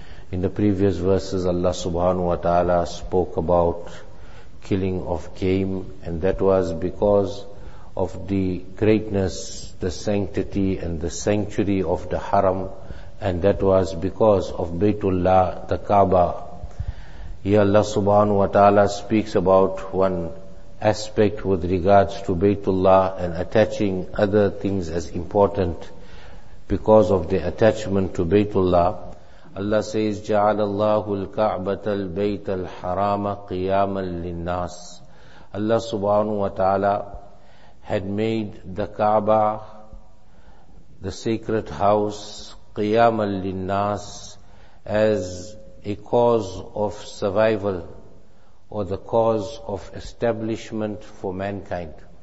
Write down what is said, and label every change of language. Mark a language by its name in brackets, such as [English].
[English] In the previous verses, Allah subhanahu wa ta'ala spoke about killing of game, and that was because of the greatness, the sanctity and the sanctuary of the haram, and that was because of Baytullah, the Kaaba. Here Allah subhanahu wa ta'ala speaks about one aspect with regards to Baytullah and attaching other things as important because of the attachment to Baytullah. Allah says, [Arabic] جَعَلَ اللَّهُ الْكَعْبَةَ الْبَيْتَ الْحَرَامَ قِيَامًا لِلنَّاسِ. [English] Allah subhanahu wa ta'ala had made the Kaaba, the sacred house, [Arabic] قِيَامًا لِلنَّاسِ, [English] as a cause of survival or the cause of establishment for mankind.